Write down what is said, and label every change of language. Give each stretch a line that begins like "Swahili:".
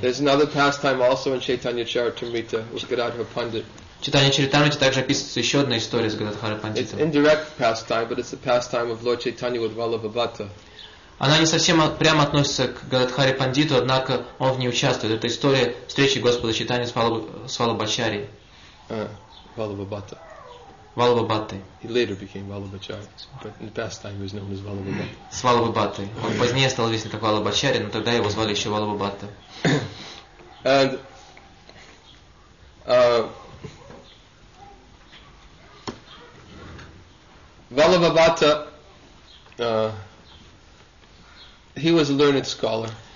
English: There's another pastime also in Chaitanya Charitamrita with Gadadhara Pandit.
Russian: Читание Чаритамрити также описывается еще одна история с Гададхарой Пандитом.
English: It's indirect pastime, but it's the pastime of Lord Chaitanya with Vallabhabhatta.
Russian: Она не совсем прямо относится к Гададхаре Пандиту, однако он в ней участвует. Это история встречи Господа Чайтаньи с Валабхачари. Валабхабхатта. Валабхабхатты.
English: He later became Валабхачари, but in the past time he was known as Валабхабхатта.
Russian: С Валабхабхатты. Он позднее стал известен как Валабхачари, но тогда его звали еще Валабхабхатта.
English: And Валабхабхатта, he was a learned scholar.